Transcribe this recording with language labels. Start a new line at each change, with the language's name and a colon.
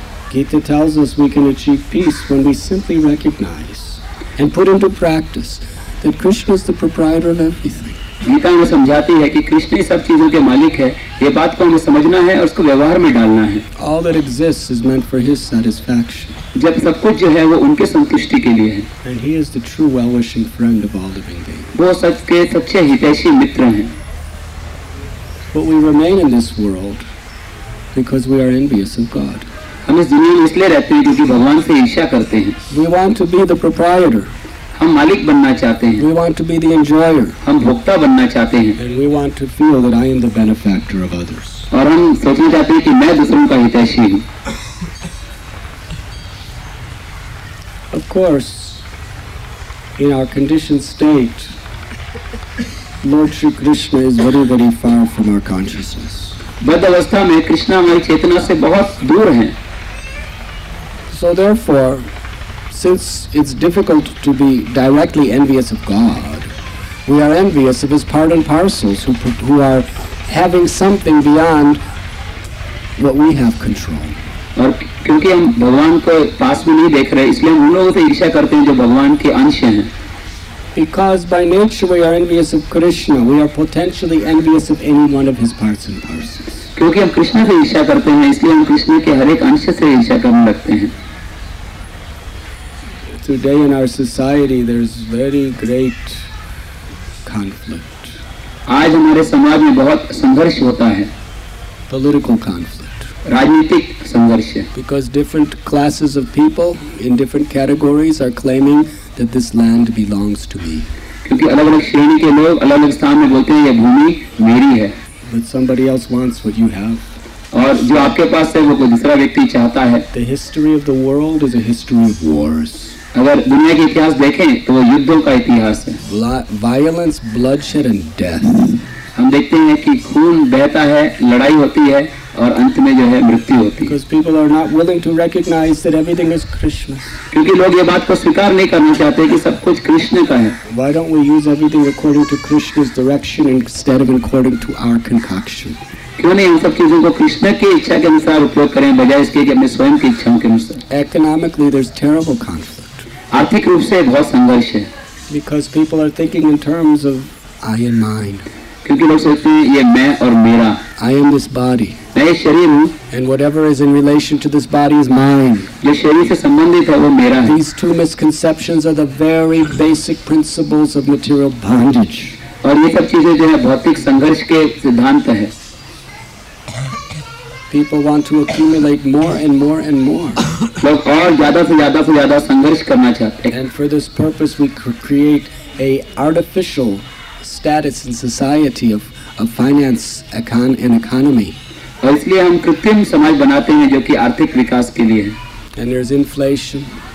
English: Gita tells us we can achieve peace when we simply recognize and put into practice that Krishna is the proprietor of everything.
Hindi: Gita हमें समझाती है कि कृष्ण ही सब चीजों के मालिक है. ये बात को हमें समझना है और उसको व्यवहार में डालना है.
English: All that exists is meant for his satisfaction.
Hindi: जब सब कुछ जो है वो उनके संतुष्टि के लिए है.
English: And he is the true well-wishing friend of all living beings.
Hindi: वो सबके सच्चे हितैषी मित्र हैं.
English: But we remain in this world because we are envious of God.
Hindi: हम इस दुनिया में इसलिए रहते हैं क्योंकि भगवान से ईर्ष्या करते हैं.
English: We want to be the proprietor.
Hindi: हम मालिक बनना चाहते हैं.
English: We want to be the enjoyer.
Hindi: हम भोक्ता बनना चाहते हैं.
English: And we want to feel that I am the benefactor of others.
Hindi: और हम सोचना चाहते हैं कि मैं दूसरों का हितैषी हूँ.
English: Of course, in our conditioned state, Lord Sri Krishna is very, very far from our consciousness.
Hindi: बद्ध अवस्था में कृष्णा हमारी चेतना से बहुत दूर हैं.
English: So therefore, since it's difficult to be directly envious of God, we are envious of his part and parcels who are having something beyond what we have control.
Hindi: और क्योंकि हम भगवान को पास में नहीं देख रहे इसलिए हम उन लोगों से ईर्ष्या करते हैं जो भगवान के अंश हैं.
English: Because by nature we are envious of Krishna, we are potentially envious of any one of his parts and parcels.
Hindi: क्योंकि हम कृष्ण से ईर्ष्या करते हैं इसलिए हम कृष्ण के हर एक अंश से ईर्ष्या करने लगते हैं.
English: Today in our society there is very great conflict.
Hindi: आज हमारे समाज में बहुत संघर्ष होता है.
English: Political conflict.
Hindi: राजनीतिक संघर्ष.
English: Because different classes of people in different categories are claiming that this land belongs to me.
Hindi: क्योंकि अलग अलग श्रेणी के लोग अलग अलग स्थान में बोलते हैं यह भूमि मेरी है.
English: But somebody else wants what you have.
Hindi: और जो आपके पास है वो कोई दूसरा व्यक्ति चाहता है.
English: The history of the world is a history of wars.
Hindi: अगर दुनिया के इतिहास देखें तो वो युद्धों का इतिहास है.
English: Violence, bloodshed and death.
Hindi: हम देखते हैं कि खून बहता है, लड़ाई होती है और अंत में जो है मृत्यु होती.
English: Because people are not willing to recognize that everything is Krishna.
Hindi: क्योंकि लोग ये बात को स्वीकार नहीं करना चाहते कि सब कुछ कृष्ण का है.
English: Why don't we use everything according to Krishna's direction instead of according to our concoction?
Hindi: क्यों नहीं उन सब चीजों को कृष्ण की इच्छा के अनुसार उपयोग करें बजाय इसके कि अपने स्वयं की इच्छाओं के अनुसार.
English: Economically, there's terrible conflict.
Hindi: आर्थिक रूप से बहुत संघर्ष है.
English: Because people are thinking in terms of I and mine.
Hindi: क्योंकि लोग सोचते हैं ये मैं और मेरा.
English: I am this body.
Hindi: मैं ये शरीर हूँ.
English: And whatever is in relation to this body is mine.
Hindi: ये शरीर से संबंधित है वो मेरा है.
English: These two misconceptions are the very basic principles of material bondage.
Hindi: और ये सब चीजें जो है भौतिक संघर्ष के सिद्धांत है.
English: People want to accumulate more and more and more.
Hindi: लोग और ज्यादा से ज्यादा से ज्यादा संघर्ष करना चाहते हैं.
English: And for this purpose we create a artificial status in society of finance and economy.
Hindi: और इसलिए हम कृत्रिम समाज बनाते हैं जो कि आर्थिक विकास के लिए है.
English: And there's inflation.